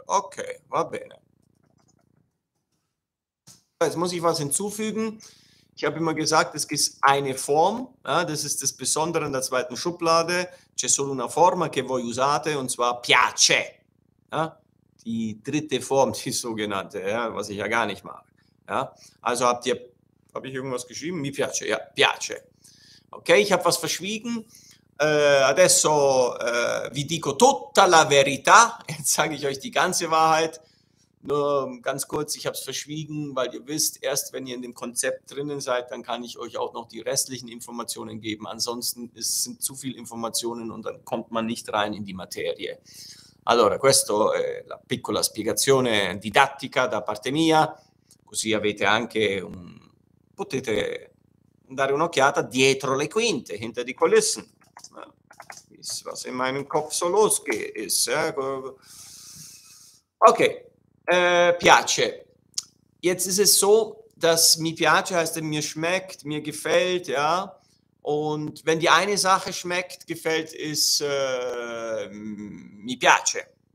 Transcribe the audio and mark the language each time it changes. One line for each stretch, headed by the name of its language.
Italian: Okay, va bene.
German: Jetzt muss ich was hinzufügen. Ich habe immer gesagt, es gibt eine Form, ja, das ist das Besondere in der zweiten Schublade.
Italian: C'è solo una forma che voi usate,
German: und zwar
Italian: piace.
German: Ja, die dritte Form, die sogenannte, ja, was ich ja gar nicht mag. Ja, also habe ich irgendwas geschrieben? Mi piace, ja, piace. Okay, ich habe was verschwiegen.
Italian: Adesso vi dico tutta la verità,
German: jetzt sage ich euch die ganze Wahrheit. Nur ganz kurz, ich habe es verschwiegen, weil ihr wisst, erst wenn ihr in dem Konzept drinnen seid, dann kann ich euch auch noch die restlichen Informationen geben. Ansonsten sind zu viele Informationen und dann kommt man nicht rein in die Materie.
Italian: Allora, questo è la piccola spiegazione didattica da parte mia. Così avete anche potete dare un'occhiata dietro le quinte,
German: hinter die Kulissen. Was in meinem Kopf so losgeht, ist. Okay. Piace. Jetzt ist es so, dass mi piace heißt, mir schmeckt, mir gefällt, ja. Und wenn die eine Sache schmeckt, gefällt, ist mi piace.